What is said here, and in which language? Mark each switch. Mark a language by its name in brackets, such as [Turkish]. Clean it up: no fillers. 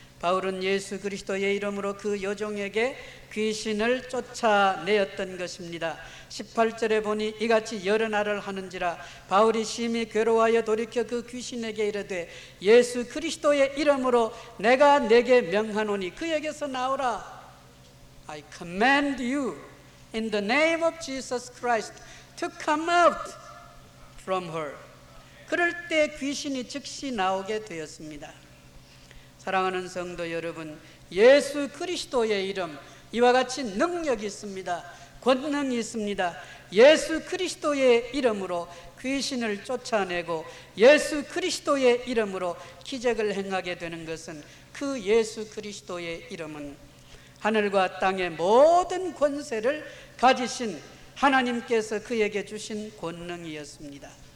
[Korean] 바울은 예수 그리스도의 이름으로 그 여종에게 귀신을 쫓아내었던 것입니다. 18절에 보니 이같이 여러 날을 하는지라 바울이 심히 괴로워하여 돌이켜 그 귀신에게 이르되 예수 그리스도의 이름으로 내가 내게 명하노니 그에게서 나오라. [English] I command you in the name of Jesus Christ to come out from her. [Korean] 그럴 때 귀신이 즉시 나오게 되었습니다. 사랑하는 성도 여러분, 예수 그리스도의 이름 이와 같이 능력이 있습니다. 권능이 있습니다. 예수 그리스도의 이름으로 귀신을 쫓아내고 예수 그리스도의 이름으로 기적을 행하게 되는 것은 그 예수 그리스도의 이름은 하늘과 땅의 모든 권세를 가지신 하나님께서 그에게 주신 권능이었습니다.